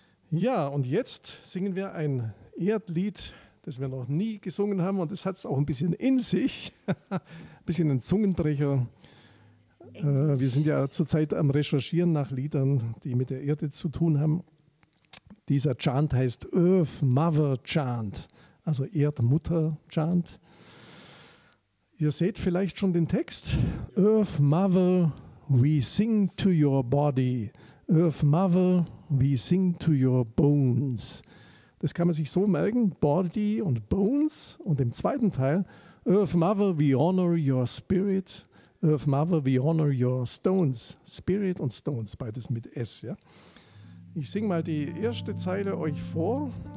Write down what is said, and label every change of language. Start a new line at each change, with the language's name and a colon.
German: Ja, und jetzt singen wir ein Erdlied, das wir noch nie gesungen haben und das hat es auch ein bisschen in sich, ein bisschen ein Zungenbrecher. Wir sind ja zurzeit am Recherchieren nach Liedern, die mit der Erde zu tun haben. Dieser Chant heißt Earth Mother Chant, also Erdmutter Chant. Ihr seht vielleicht schon den Text.
English: Earth Mother, we sing to your body. Earth Mother, we sing to your bones.
German: Das kann man sich so merken, body und bones. Und im zweiten Teil,
English: Earth Mother, we honor your spirit. Earth Mother, we honor your stones.
German: Spirit und stones, beides mit S. Ja? Ich singe mal die erste Zeile euch vor.